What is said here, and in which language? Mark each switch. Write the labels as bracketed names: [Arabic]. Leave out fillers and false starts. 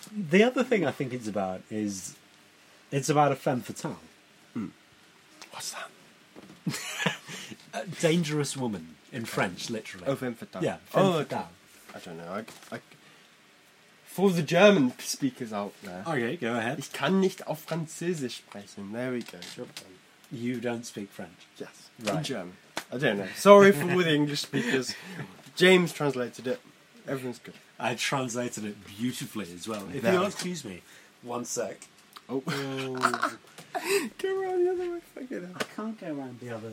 [English] The other thing I think it's about is it's about a femme fatale. Mm. What's that? A dangerous woman in French, literally. Oh, femme fatale. Yeah, femme fatale. Okay. I don't know. I for the German speakers out there. Okay, go ahead. [German] Ich kann nicht auf Französisch sprechen. [English] There we go. You don't speak French. Yes, right. In German. I don't know. Sorry for all the English speakers. James translated it. Everyone's good. I translated it beautifully as well. If you'll excuse me, one sec. Oh. Go around the other way. Fuck it. I can't go around the other.